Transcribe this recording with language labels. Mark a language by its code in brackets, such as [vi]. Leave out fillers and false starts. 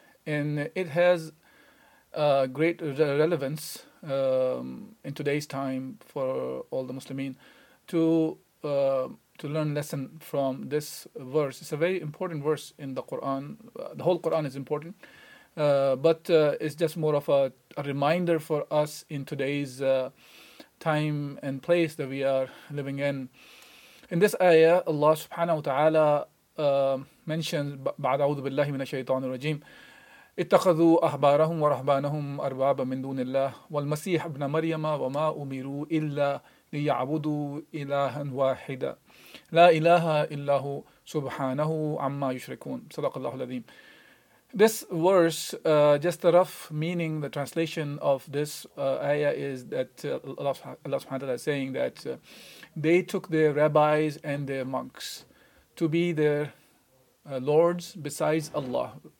[en] And it has great relevance in today's time for all the Muslimin to learn lesson from this verse. It's a very important verse in the Quran. The whole Quran is important, but it's just more of a reminder for us in today's time and place that we are living in. In this ayah, Allah subhanahu wa ta'ala mentions, [ar] بعد أعوذ بالله من الشيطان الرجيم اتخذوا أحبارهم ورهبانهم أربابا من دون الله والمسيح ابن مريم وما أمروا إلا ليعبدوا إلها واحدا لا إله إلا هو سبحانه عما يشركون صدق الله العظيم. [en] This verse, just a rough meaning, the translation of this ayah is that Allah subhanahu wa ta'ala is saying that they took their rabbis and their monks to be their lords besides Allah.